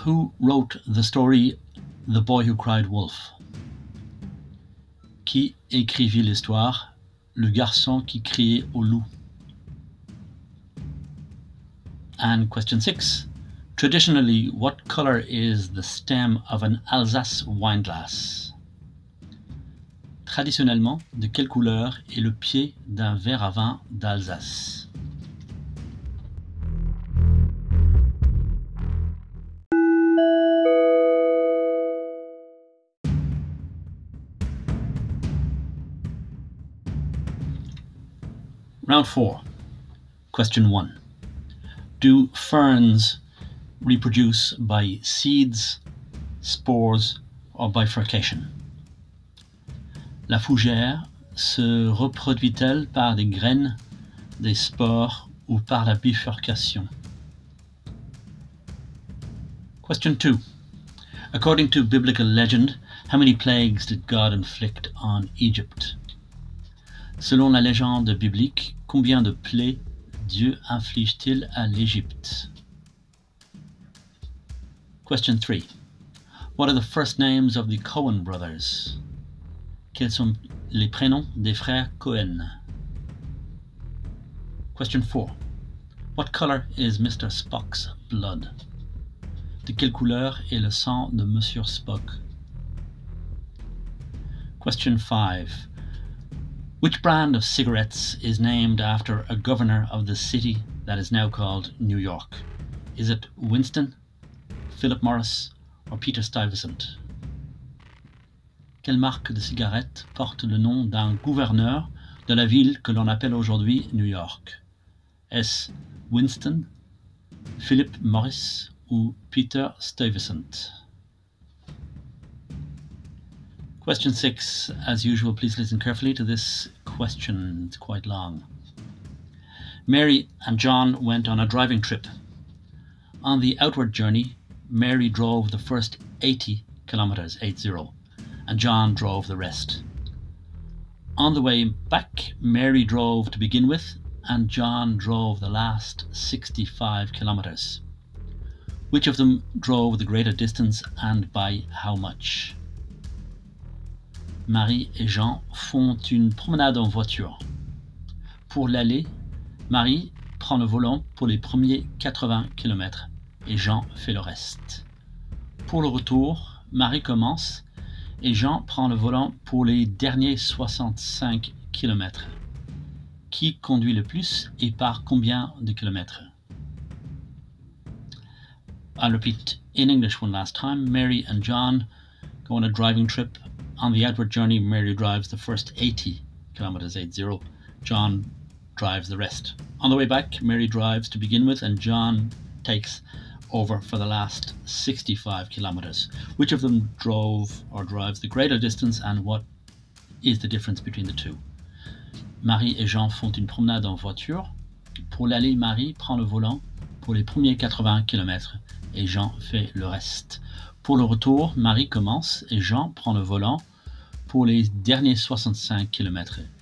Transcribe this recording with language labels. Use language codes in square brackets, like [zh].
[en] Who wrote the story The Boy Who Cried Wolf? [fr] Qui écrivit l'histoire Le garçon qui criait au loup? [en] And question 6. Traditionally, what color is the stem of an Alsace wine glass? [fr] Traditionnellement, de quelle couleur est le pied d'un verre à vin d'Alsace? [en] Round 4. Question 1. Do ferns reproduce by seeds, spores, or bifurcation? [fr] La fougère se reproduit-elle par des graines, des spores, ou par la bifurcation? [en] Question 2. According to biblical legend, how many plagues did God inflict on Egypt? [fr] Selon la légende biblique, combien de plaies Dieu inflige-t-il à l'Égypte? [en] Question 3. What are the first names of the Coen brothers? [fr] Quels sont les prénoms des frères Coen? [en] Question 4. What color is Mr. Spock's blood? [fr] De quelle couleur est le sang de Monsieur Spock? [en] Question 5. Which brand of cigarettes is named after a governor of the city that is now called New York? Is it Winston, Philip Morris, or Peter Stuyvesant? [fr] Quelle marque de cigarette porte le nom d'un gouverneur de la ville que l'on appelle aujourd'hui New York? Est-ce Winston, Philip Morris, ou Peter Stuyvesant? [en] Question 6. As usual, please listen carefully to this question. It's quite long. Mary and John went on a driving trip. On the outward journey, Mary drove the first 80 kilometers, 80, and John drove the rest. On the way back, Mary drove to begin with, and John drove the last 65 kilometers. Which of them drove the greater distance and by how much? [fr] Marie et Jean font une promenade en voiture. Pour l'aller, Marie prend le volant pour les premiers 80 km et Jean fait le reste. Pour le retour, Marie commence et Jean prend le volant pour les derniers 65 km. Qui conduit le plus et par combien de kilomètres? [en] I'll repeat in English one last time. Mary and John go on a driving trip. On the outward journey, Mary drives the first 80 kilometers, 80. John drives the rest. On the way back, Mary drives to begin with, and John takes over for the last 65 kilometers. Which of them drove or drives the greater distance, and what is the difference between the two? [fr] Marie et Jean font une promenade en voiture. Pour l'aller, Marie prend le volant pour les premiers 80 kilometers, et Jean fait le reste. Pour le retour, Marie commence et Jean prend le volant pour les derniers 65 km.